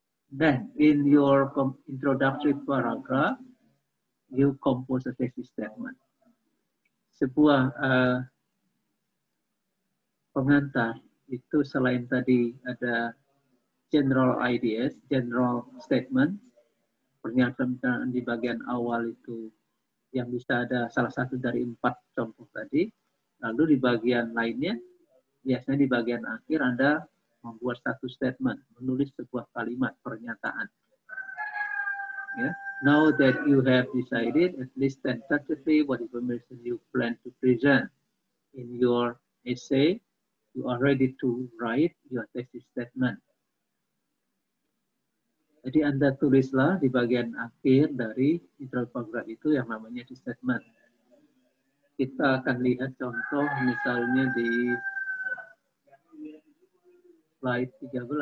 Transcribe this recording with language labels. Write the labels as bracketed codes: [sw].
[en] Then, in your introductory paragraph, you compose a thesis statement. [id] Sebuah pengantar itu selain tadi ada general ideas, general statement, pernyataan di bagian awal itu yang bisa ada salah satu dari empat contoh tadi. Lalu di bagian lainnya, biasanya di bagian akhir Anda membuat satu statement, menulis sebuah kalimat, pernyataan. [en] Yeah. Now that you have decided, at least tentatively, what information you plan to present in your essay, you are ready to write your thesis statement. [id] Jadi Anda tulislah di bagian akhir dari intro paragraph itu yang namanya thesis statement. Kita akan lihat contoh misalnya di slide 13.